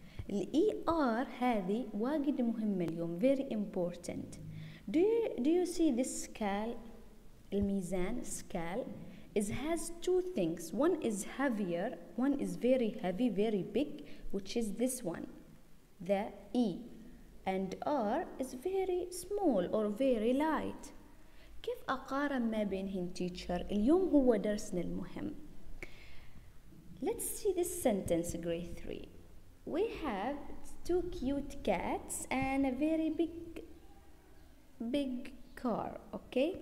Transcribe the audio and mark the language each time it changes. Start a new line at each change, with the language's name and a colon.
Arabic: الـ ER هذه واجد مهمة اليوم,
English: very important. Do you see this scale, الميزان, scale, it has two things. One is heavier, one is very heavy, very big, which is this one, the E. And R is very small or very light.
Arabic: كيف أقارن ما بينهن teacher؟ اليوم هو درسنا المهم.
English: Let's see this sentence, grade 3. We have two cute cats and a very big car, okay?